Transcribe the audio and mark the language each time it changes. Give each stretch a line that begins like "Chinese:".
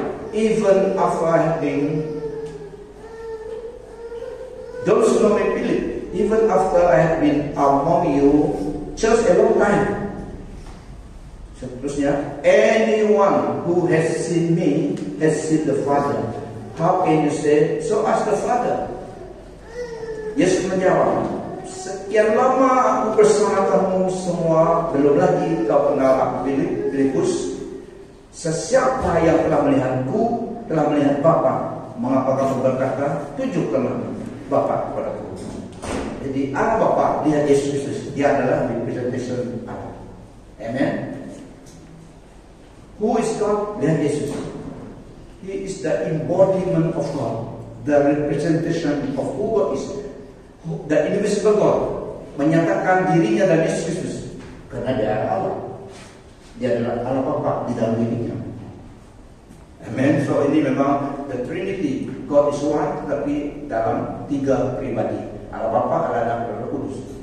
English: Even after I have been, don't you know me, Philip? Even after I have been among you just a long time.
Malay: Seterusnya,
English: anyone who has seen me has seen the Father. How can you say, so ask the Father?
Malay: Yesus menjawab, sekian lama aku bersama kamu semua, belum lagi kau kenal aku, Filipus. Sesiapa yang telah melihatku, telah melihat Bapa. Mengapa kamu berkata, tunjukkanlah Bapa kepadaku. Jadi Allah Bapa, dia Yesus Kristus, dia adalah representation Allah. Amen.
English: Who is God?
Malay: Dia Yesus.
English: He is the embodiment of God, the representation of who God is. The invisible God
Malay: menyatakan dirinya dalam Yesus Kristus karena dia adalah Allah. Dia adalah Allah Bapa di dalam dirinya. Amen. So ini memang the Trinity,
English: God is one,
Malay: tapi dalam tiga pribadi, Allah Bapa, Allah Anak, dan Roh Kudus.